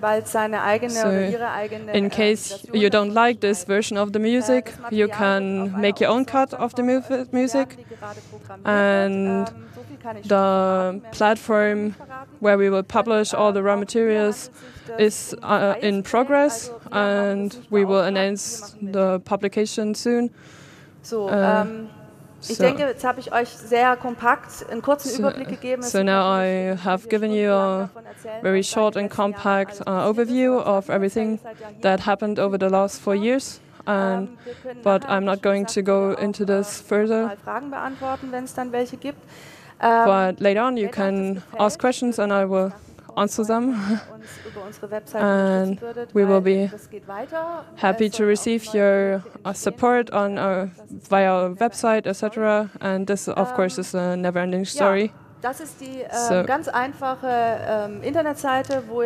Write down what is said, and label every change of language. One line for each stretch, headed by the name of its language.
English: So in case you don't like this version of the music, you can make your own cut of the music. And the platform where we will publish all the raw materials is in progress, and we will announce the publication soon.
German: Ich denke, jetzt habe ich euch sehr kompakt einen kurzen Überblick gegeben.
English: So now I have given you a very short and compact overview of everything that happened over the last 4 years. But I'm not going to go into this further.
German: Fragen beantworten, wenn es dann welche gibt.
English: But later on you can ask questions and I will answer them. And we will be happy to receive your support on via our website, etc. And this, of course, is a never-ending story.
German: Das ist die ganz einfache Internetseite, wo ihr